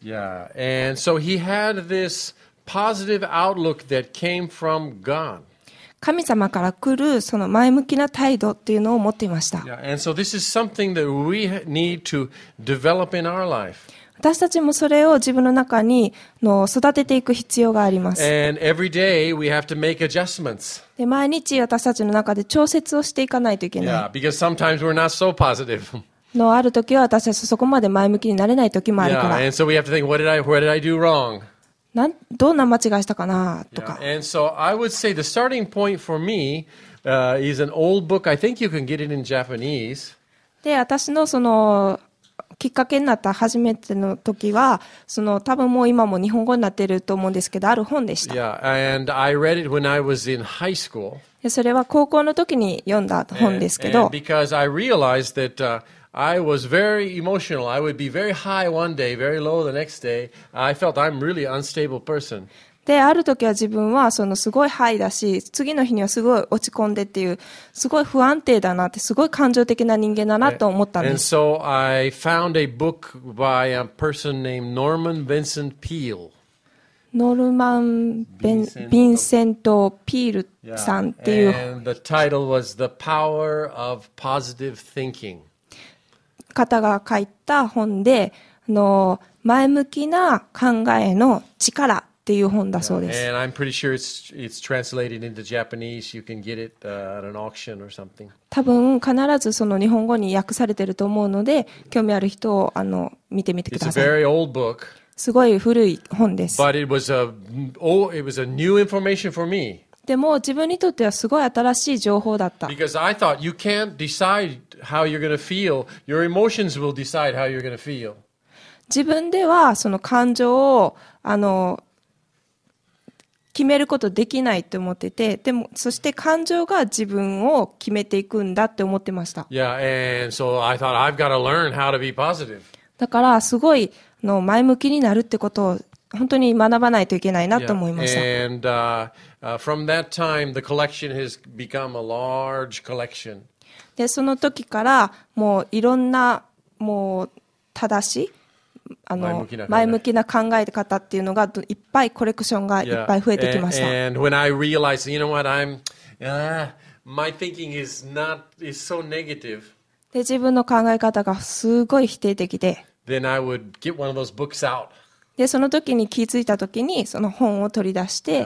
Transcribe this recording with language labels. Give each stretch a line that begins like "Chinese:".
English: Yeah, and so he had this. Positive outlook that came from God.
Japanese: 神様から来るその前向きな態度っていうのを持っていました。
English: Yeah, and so this is something that we need to develop in our life.
Japanese: 私たちもそれを自分の中にの育てていく必要があります。
English: And every day we have to make adjustments.
Japanese: で毎日私たちの中で調節をしていかないといけない。
English: Yeah, because sometimes we're not so positive.
Japanese: のある時は私たちそこまで前向きになれない時もあるから。
English: Yeah, and so we have to think, what did I do wrong?
Japanese: どんな間違いしたかなとか。
English: Yeah. And so I would say the starting point for me, is an old book. I think you can get it in Japanese.
Japanese: で、私のそのきっかけになった初めての時は、その多分もう今も日本語になっていると思うんですけど、ある本でした。
English: Yeah. And I read it when I was in high school.
Japanese: で、それは高校の時に読んだ本ですけど。
English: And because I realized that, I was very emotional. I would be very high one day, very low the next day. I felt I'm really unstable person.
Japanese: で、ある時は自分はそのすごいハイだし、次の日にはすごい落ち込んでっていう、すごい不安定だなって、すごい感情的な人間だなと思ったんです。
English: And so I found a book by a person named Norman Vincent Peale.
Japanese: ノルマン・ヴィンセント・ピールさんっていう。
English: And the title was The Power of Positive Thinking.
Japanese: 方が書いた本で、前向きな考えの力っていう本だそうです。
English: And I'm pretty sure it's translated into Japanese. You can get it at an auction or something.
Japanese: 多分必ずその日本語に訳されてると思うので、興味ある人を見てみてください。
English: It's a very old book.
Japanese: すごい古い本です。
English: But it was a new information for me.
Japanese: でも自分にとってはすごい新しい情報だった。
English: Because I thought you can't decide. How you're gonna feel, your emotions will decide how you're gonna feel.
Japanese: 自分ではその感情を決めることできないと思ってて、でもそして感情が自分を決めていくんだって思ってました。
English: Yeah, and so I thought I've got to learn how to be positive.
Japanese: だからすごい前向きになるってことを本当に学ばないといけないなと思いました。
English: yeah. And, from that time, the collection has become a large collection.
Japanese: でその時からもういろんなもう正しい前向きな考え方っていうのがいっぱいコレクションがいっぱい増えてきました。
English: And when I realized, you know what, I'm, my thinking is not, is so negative.
Japanese: で自分の考え方がすごい否定的で
English: Then I would get one of those books out.
Japanese: でその時に気づいた時にその本を取り出して、